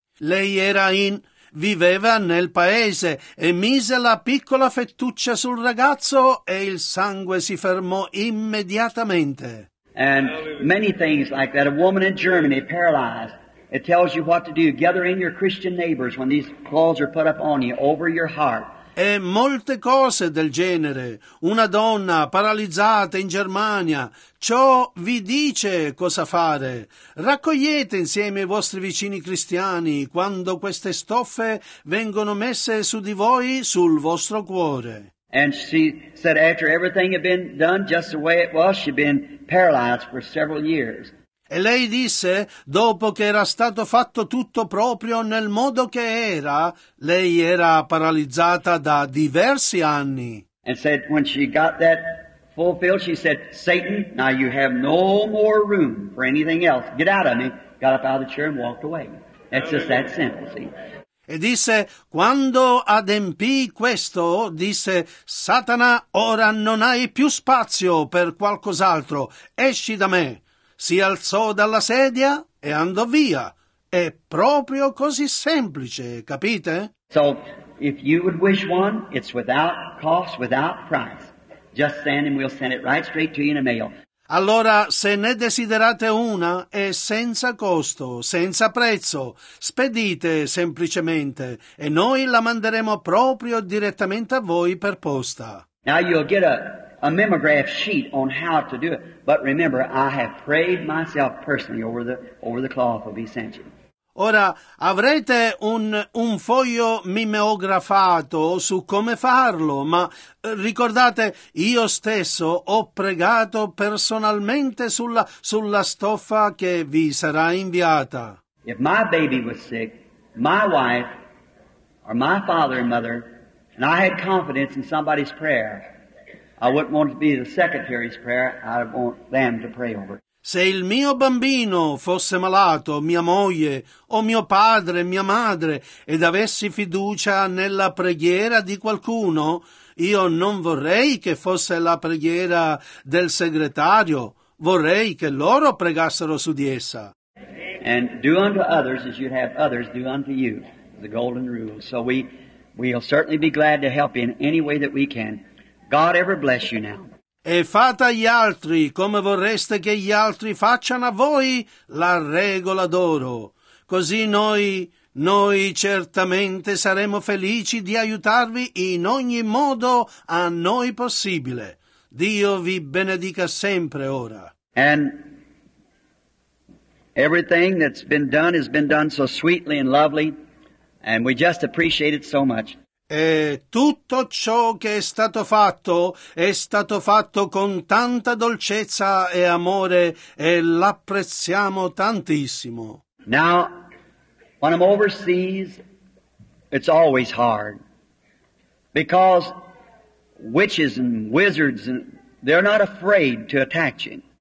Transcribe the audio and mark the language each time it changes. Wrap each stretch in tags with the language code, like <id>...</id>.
<it>Lei era in, viveva nel paese, e mise la piccola fettuccia sul ragazzo, e il sangue si fermò immediatamente.</it> <en>And many things like that. A woman in Germany paralyzed. It tells you what to do. Gather in your Christian neighbors when these calls are put up on you over your heart.</en> <it>E molte cose del genere. Una donna paralizzata in Germania. Ciò vi dice cosa fare. Raccogliete insieme i vostri vicini cristiani quando queste stoffe vengono messe su di voi, sul vostro cuore.</it> <en>And she said after everything had been done just the way it was, she'd been paralyzed for several years.</en> <it>E lei disse, dopo che era stato fatto tutto proprio nel modo che era, lei era paralizzata da diversi anni.</it> <en>And said when she got that fulfilled, she said, Satan, now you have no more room for anything else. Get out of me. Got up out of the chair and walked away. That's just that simple, see.</en> <it>E disse, quando adempì questo, disse, Satana, ora non hai più spazio per qualcos'altro. Esci da me. Si alzò dalla sedia e andò via. È proprio così semplice, capite?</it> <en>So, if you would wish one, it's without cost, without price. Just send and we'll send it right straight to you in a mail.</en> <it>Allora, se ne desiderate una, è senza costo, senza prezzo. Spedite semplicemente e noi la manderemo proprio direttamente a voi per posta.</it> <en>Now you'll get a mimeograph sheet on how to do it. But remember, I have prayed myself personally over the cloth will be sent you.</en> <it>Ora, avrete un foglio mimeografato su come farlo, ma ricordate, io stesso ho pregato personalmente sulla stoffa che vi sarà inviata.</it> <en>If my baby was sick, my wife, or my father and mother, and I had confidence in somebody's prayer, I wouldn't want to be the secretary's prayer, I want them to pray over.</en> <it>Se il mio bambino fosse malato, mia moglie, o mio padre, mia madre, ed avessi fiducia nella preghiera di qualcuno, io non vorrei che fosse la preghiera del segretario, vorrei che loro pregassero su di essa.</it> <en>And do unto others as you'd have others do unto you, the golden rule. So we'll certainly be glad to help you in any way that we can. God ever bless you now.</en> <it>E fate agli altri come vorreste che gli altri facciano a voi la regola d'oro. Così noi certamente saremo felici di aiutarvi in ogni modo a noi possibile. Dio vi benedica sempre ora.</it> <en>And everything that's been done so sweetly and lovely. And we just appreciate it so much.</en> <it>E tutto ciò che è stato fatto con tanta dolcezza e amore, e l'apprezziamo tantissimo.</it> <en>Now, when I'm overseas, it's always hard, because witches and wizards, they're not afraid to attack you.</en>